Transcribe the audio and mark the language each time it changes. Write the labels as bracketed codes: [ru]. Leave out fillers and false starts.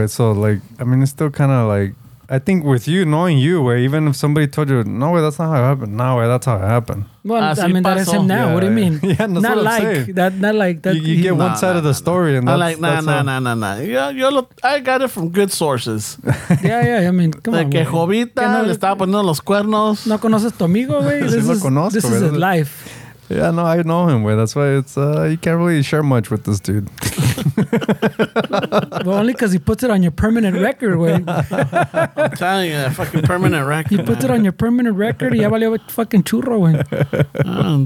[en] So like, I mean, it's still kind of like, I think with you, knowing you, where even if somebody told you, no way, that's not how it happened. No way, that's how it happened. Well, I mean, that is him now. Yeah, what do you mean? Yeah, that's not what I'm like saying. That. Not like that. You get one side of the story, and that's like, nah. I got it from good sources. Yeah. I mean, come [es] de [en] on. [es] De que Jovita no, le estaba poniendo los cuernos. No conoces tu amigo, güey. [en] This is his life. Yeah, no, I know him, way. That's why it's you can't really share much with this dude. Well, only because he puts it on your permanent record, way. I'm telling you, that fucking permanent record. He puts it on your permanent record, [es] y ya valió [en] fucking churro, way.